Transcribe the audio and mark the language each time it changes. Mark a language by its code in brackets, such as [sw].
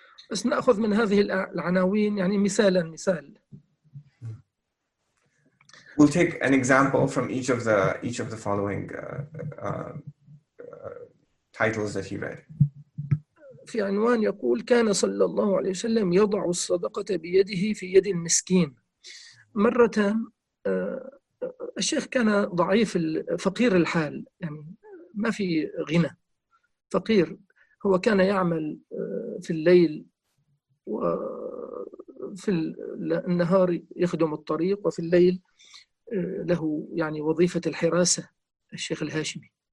[ar] بس نأخذ من هذه العناوين يعني مثال. [en] We'll take an example from each of the following titles that he read. [ar] في عنوان يقول: كان صلى الله عليه وسلم يضع الصدقة بيده في يد المسكين. مرة الشيخ كان ضعيف فقير الحال، يعني ما في غنى، فقير. هو كان يعمل في الليل وفي النهار يخدم الطريق، وفي الليل له يعني وظيفة الحراسة، الشيخ الهاشمي.